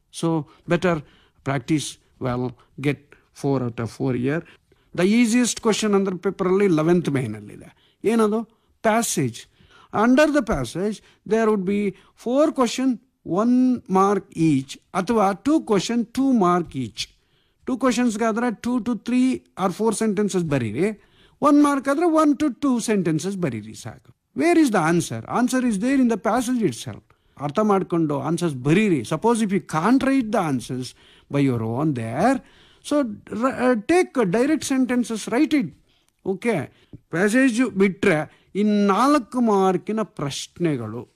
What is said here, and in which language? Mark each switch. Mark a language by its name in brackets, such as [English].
[English] So better practice well, get 4 out of 4 here. The easiest question [Kannada] ಅಂದ್ರೆ ಪೇಪರಲ್ಲಿ 11th ಮೇನಲ್ಲಿದೆ. ಏನದು? Passage. [English] under the passage there would be 4 question 1 mark each, [Kannada] ಅಥವಾ [English] 2 question 2 mark each. 2 ಕ್ವಶನ್ಸ್ಗಾದ್ರೆ 2 to 3 or 4 sentences ಬರೀರಿ, 1 mark ಆದರೆ 1 to 2 sentences [Kannada] ಬರೀರಿ ಸಾಕು. [English] Where is the answer? Answer is there in the passage itself. [Kannada] ಅರ್ಥ ಮಾಡಿಕೊಂಡು answers ಬರೀರಿ. [English] Suppose if you can't write the answers by your own there, so take direct sentences, write it. [Kannada] Okay, passage ಬಿಟ್ಟರೆ ಇನ್ 4 ಮಾರ್ಕಿನ ಪ್ರಶ್ನೆಗಳು.